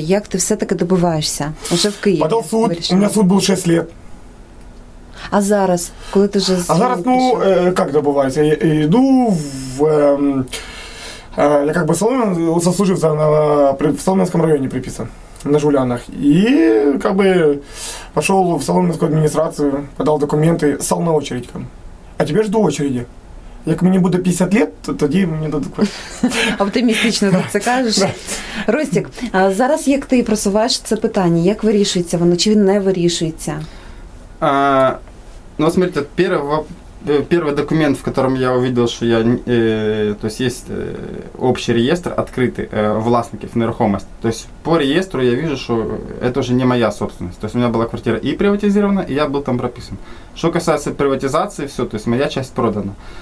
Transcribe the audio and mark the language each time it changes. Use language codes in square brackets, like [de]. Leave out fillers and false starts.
[uk] Як ти все-таки добиваєшся? Уже в Києві. Подав суд. У мене суд був 6 років. А зараз? Коли ти вже з... А зараз, ну, як добиваюся? Я йду в... я як би Соломен, заслужив в Соломенському районі приписан. На Жулянах. [ru] И как бы пошел в Соломенскую администрацию, подал документы, стал на очередь. А теперь жду очереди. [uk] Як мені буде 50 лет, то тоді мені дадуть. Оптимістично ти це кажеш. Ростік, а зараз як ти просуваєш це питання? Як вирішується воно? Чи він не вирішується? [ru] Ну, смотрите, первый документ, в котором я увидел, что я, то есть общий реестр открытый власников нерухомости. То есть по реестру я вижу, что это уже не моя собственность. То есть у меня была квартира и приватизирована, и я был там прописан. Что касается приватизации, все, то есть моя часть продана.